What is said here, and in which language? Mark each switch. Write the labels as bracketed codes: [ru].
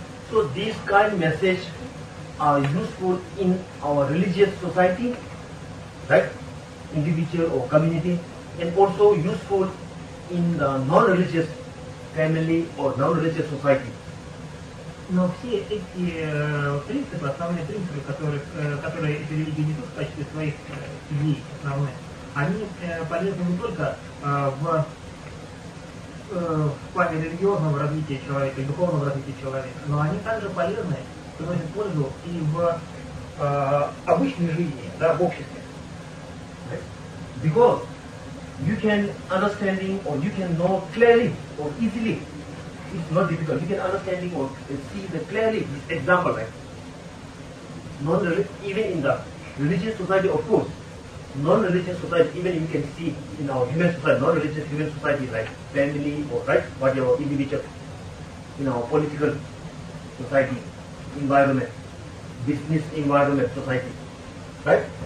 [en] So this kind of message are useful in our religious society, right? Individual or community, and also useful in the non-religious family or non-religious society. [ru] Но все эти принципы, основные принципы, которые эти религии несут в качестве своих идей основных, они полезны не только в плане религиозного развития человека и духовного развития человека, но они также полезны, приносят пользу и в обычной жизни, да, в обществе. [en] Because you can understanding or you can know clearly or easily, it's not difficult. You can understanding or see the clearly this example, right? Even in the religious society, of course, non-religious society, even you can see in our human society, non-religious human society, like family or right, whatever individual, in our political society, environment, business environment, society, right?